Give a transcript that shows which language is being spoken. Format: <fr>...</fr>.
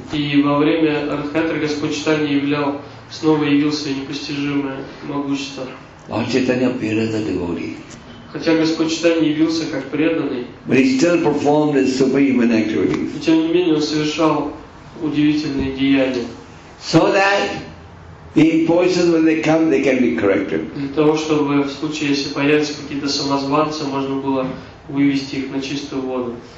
<ru>И во время Радхакатры Господь Читания являл, снова явился непостижимое могущество.</ru> <en>Lord Chaitanya appeared as a devotee.</en> <ru>Хотя Господь Читания явился как преданный,</ru> <en>but he still performed his superhuman activities.</en> <ru>Тем не менее, он совершал удивительные деяния.</ru> <en>So that the impulses, when they come, they can be corrected.</en> <ru>Для того, чтобы в случае, если появятся какие-то самозванцы, можно было вывести их на чистую воду.</ru>